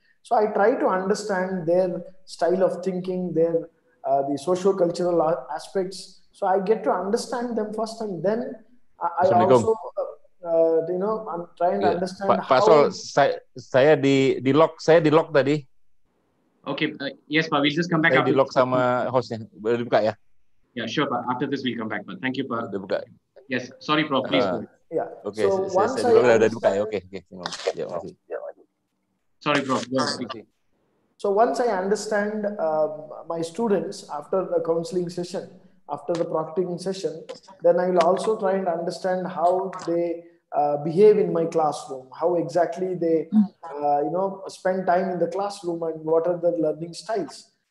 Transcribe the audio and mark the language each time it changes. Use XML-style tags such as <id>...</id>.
<en>So I try to understand their style of thinking, their the socio-cultural aspects. So I get to understand them first, and then I also, I'm trying to understand.</en> <id>Saya di lock tadi.</id> <en>Okay. Yes, Pak. We'll just come back.</en> <id>Saya di lock sama hostnya. Boleh dibuka ya?</id> <en>Yeah, sure, Pak. After this, we'll come back. But thank you, Pak.</en> <id>Boleh buka.</id> <en>Yes, sorry, Prof. Please. Yeah. Okay. So once</en> <id>saya sudah dibuka ya. Okay. Terima kasih. Ya, masih.</id> <en>Sorry, Prof. So once I understand my students after the counseling session, after the proctoring session, then I will also try and understand how they behave in my classroom, how exactly they spend time in the classroom, and what are the learning styles.</en>